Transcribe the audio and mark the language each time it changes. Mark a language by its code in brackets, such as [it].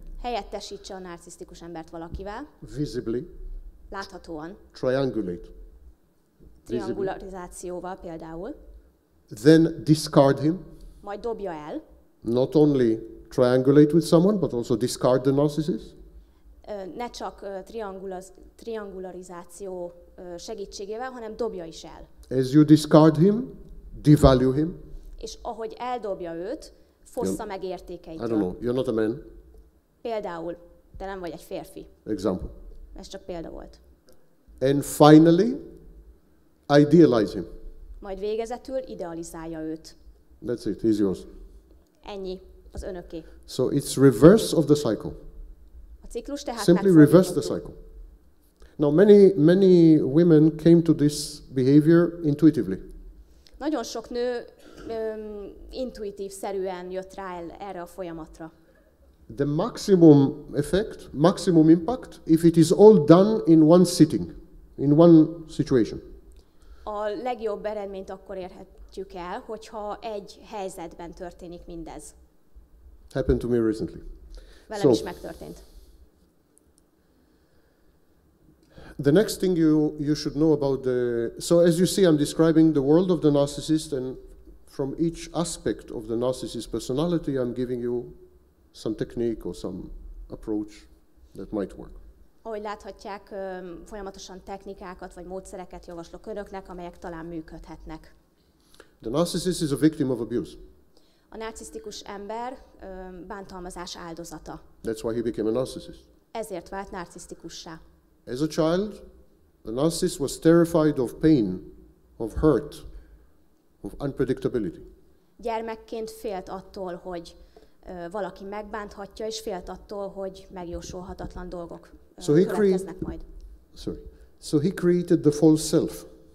[hu] Helyettesítse a narcisztikus embert valakivel. [en] Visibly. [hu] Láthatóan. [en] Triangulate. [hu] Triangularizációval például. [en] Then discard him. [hu] Majd dobja el. [en] Not only triangulate with someone, but also discard the narcissist. [hu] ne csak triangularizáció segítségével, hanem dobja is el. [en] As you discard him, devalue him. [hu] És ahogy eldobja őt, fossza meg értékeit. [en] I don't know. You're not a man. [hu] Például, te nem vagy egy férfi. [en] Example. [hu] Ez csak példa volt. [en] And finally, idealize him. [hu] Majd végezetül idealizálja őt. [en] That's it. He's yours. [hu] Ennyi, az önöké. [en] So it's reverse of the cycle. [hu] A ciklus tehát [en] simply reverse the cycle. Now many women came to this behavior intuitively. [hu] Nagyon sok nő intuitív szerűen jött rá erre a folyamatra. [en] The maximum effect, maximum impact, if it is all done in one sitting, in one situation. [hu] A legjobb eredményt akkor érhetjük el, hogyha egy helyzetben történik mindez. [en] Happened to me recently. [hu] Velem is megtörtént. [en] The next thing you should know about the... So as you see, I'm describing the world of the narcissist, and from each aspect of the narcissist personality, I'm giving you some technique or some approach that might work. [hu] Ahogy láthatják, folyamatosan technikákat vagy módszereket javaslok önöknek, amelyek talán működhetnek. [en] The narcissist is a victim of abuse. [hu] A narcisztikus ember bántalmazás áldozata. [en] That's why he became a narcissist. [hu] Ezért vált narcisztikussá. [en] As a child, the narcissist was terrified of pain, of hurt, of unpredictability. [hu] Gyermekként félt attól, hogy valaki megbánthatja, és félt attól, hogy megjósolhatatlan dolgok következnek majd. [en] So he created the false self.